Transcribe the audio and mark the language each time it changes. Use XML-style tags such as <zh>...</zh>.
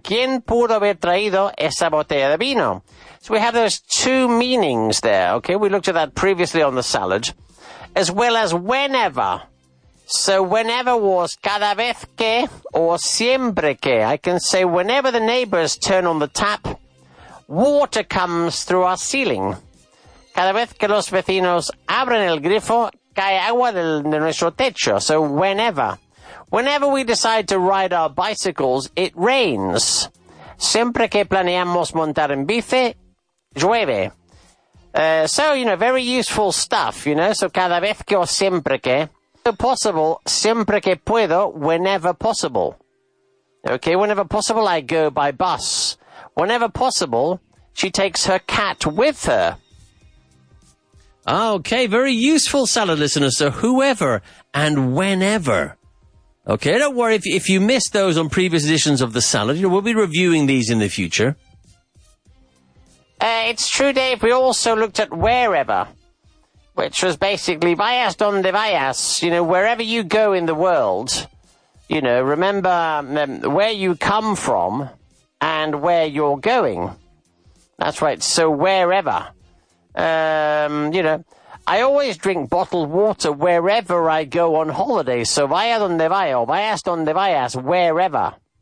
<es>¿Quién pudo haber traído esa botella de vino?</es> <en>So we have those two meanings there, okay? We looked at that previously on the salad. As well as whenever. So whenever was</en> <es>cada vez que</es> <en>or</en> <es>siempre que.</es> <en>I can say whenever the neighbors turn on the tap... Water comes through our ceiling.</en> <es>Cada vez que los vecinos abren el grifo, cae agua de nuestro techo.</es> <en>So whenever. Whenever we decide to ride our bicycles, it rains.</en> <es>Siempre que planeamos montar en bici, llueve.</es> <en>So, you know, very useful stuff, you know. So</en> <es>cada vez que o siempre que.</es> <en>So possible,</en> <es>siempre que puedo,</es> <en>whenever possible. Okay, whenever possible, I go by bus. Whenever possible, she takes her cat with her. Okay, very useful, salad listener. So whoever and whenever. Okay, don't worry if you missed those on previous editions of the salad. You know, we'll be reviewing these in the future. It's true, Dave. We also looked at wherever, which was basically</en> <es>vayas donde vayas.</es> <en>You know, wherever you go in the world, you know, remember where you come from. And where you're going. That's right. So wherever. You know, I always drink bottled water wherever I go on holiday.</en> <es>So vaya donde vaya, vayas donde vayas, wherever.</es>